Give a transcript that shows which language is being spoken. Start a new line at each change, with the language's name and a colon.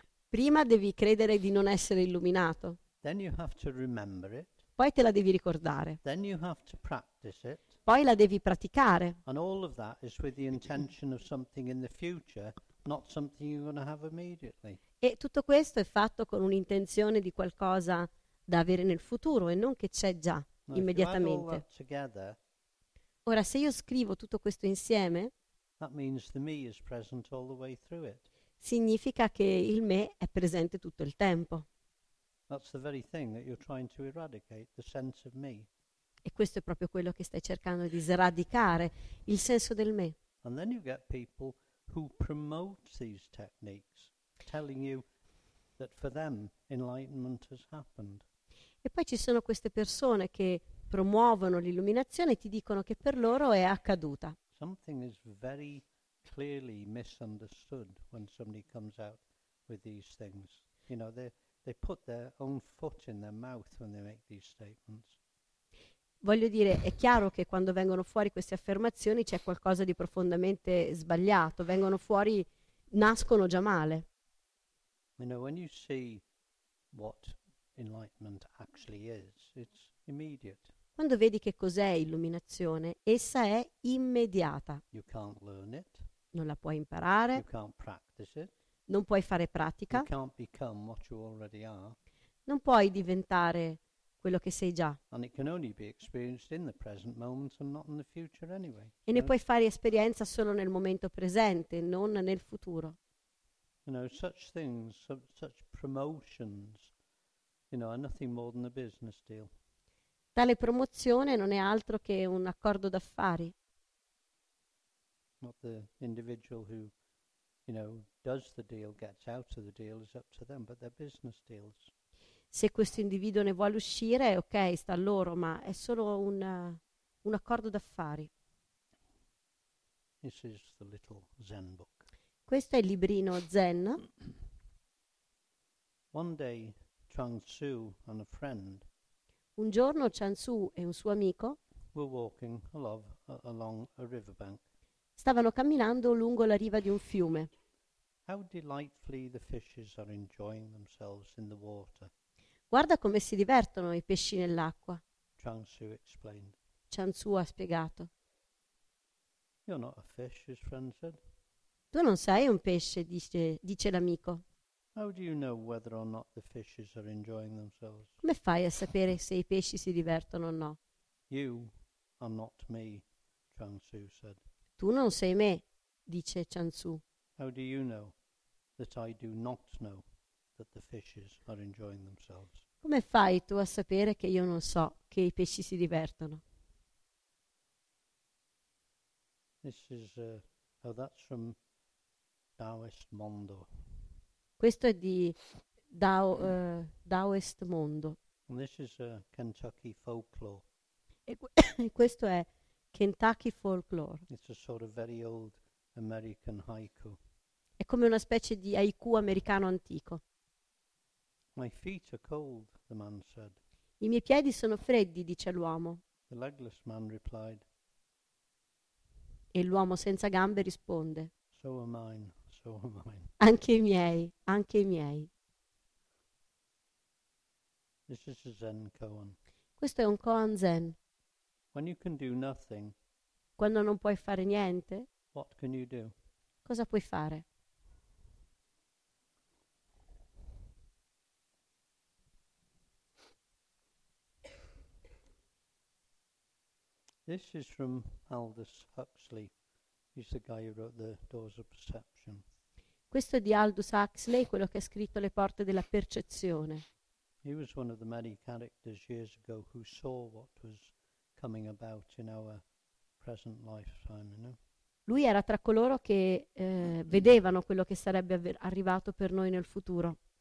Italian: Prima devi credere di non essere illuminato.
English: Then you have to remember it.
Italian: Poi te la devi ricordare.
English: Then you have to practice it.
Italian: Poi la devi praticare.
English: And all of that is with the intention of something in the future, not something you're going to have immediately.
Italian: E tutto questo è fatto con un'intenzione di qualcosa da avere nel futuro e non che c'è già
English: now,
Italian: immediatamente.
English: Together,
Italian: ora se io scrivo tutto questo insieme,
English: that means the me is present all the way through it.
Italian: Significa che il me è presente tutto il tempo.
English: That's the very thing that you're trying to eradicate, the sense of me.
Italian: E questo è proprio quello che stai cercando di sradicare, il senso del me.
English: And then you get people who promote these techniques, telling you that for them enlightenment has happened.
Italian: E poi ci sono queste persone che promuovono l'illuminazione e ti dicono che per loro è accaduta.
English: Something is very clearly misunderstood when somebody comes out with these things. You know, they put their own foot in their mouth when they make these statements.
Italian: Voglio dire, è chiaro che quando vengono fuori queste affermazioni c'è qualcosa di profondamente sbagliato, vengono fuori, nascono già male.
English: You know, when you see what enlightenment actually is, it's immediate.
Italian: Quando vedi che cos'è illuminazione, essa è immediata.
English: You can't learn it.
Italian: Non la puoi imparare.
English: You can't practice it.
Italian: Non puoi fare pratica.
English: You can't become what you already are.
Italian: Non puoi diventare quello che sei già.
English: And it can only be experienced in the present moment and not in the future anyway.
Italian: E ne puoi fare esperienza solo nel momento presente, non nel futuro.
English: You know, such things, such promotions, you know, are nothing more than a business deal.
Italian: Tale promozione non è altro che un accordo d'affari.
English: Not the individual who, you know, does the deal, gets out of the deal, is up to them, but they're business deals.
Italian: Se questo individuo ne vuole uscire, ok, sta a loro, ma è solo un accordo d'affari.
English: This is the little Zen book.
Italian: Questo è il librino Zen.
English: One day, Chuang Tzu and a friend,
Italian: un giorno Chuang Tzu e un suo amico,
English: were walking along a riverbank.
Italian: Stavano camminando lungo la riva di un fiume.
English: How delightfully the fishes are enjoying themselves in the water.
Italian: Guarda come si divertono i pesci nell'acqua.
English: Chuang Tzu explained.
Italian: Chuang Tzu ha spiegato.
English: You're not a fish, his friend said.
Italian: Tu non sei un pesce, dice l'amico.
English: How do you know whether or not the fishes are enjoying themselves?
Italian: Come fai a sapere se i pesci si divertono o no?
English: You are not me, Chang Tzu said.
Italian: Tu non sei me, dice Chang Tzu.
English: How do you know that I do not know that the fishes are enjoying themselves?
Italian: Come fai tu a sapere che io non so che i pesci si divertono?
English: This is that's from Taoist Mondo.
Italian: Questo è di Taoist Mondo.
English: And this is Kentucky folklore.
Italian: E questo è Kentucky folklore.
English: It's a sort of very old American haiku.
Italian: È come una specie di haiku americano antico.
English: My feet are cold, the man said.
Italian: I miei piedi sono freddi, dice l'uomo.
English: The legless man replied.
Italian: E l'uomo senza gambe risponde.
English: So are mine, so are mine.
Italian: Anche i miei, anche i miei.
English: This is a Zen koan.
Italian: Questo è un koan Zen.
English: When you can do nothing,
Italian: quando non puoi fare niente,
English: what can you do?
Italian: Cosa puoi fare?
English: This is from Aldous Huxley. He's the guy who wrote The Doors of Perception.
Italian: Questo è di Aldous Huxley, quello che ha scritto Le Porte della Percezione.
English: He was one of the many characters years ago who saw what was coming about in our present lifetime, you know?
Italian: Lui era tra coloro che vedevano quello che sarebbe arrivato per noi nel futuro.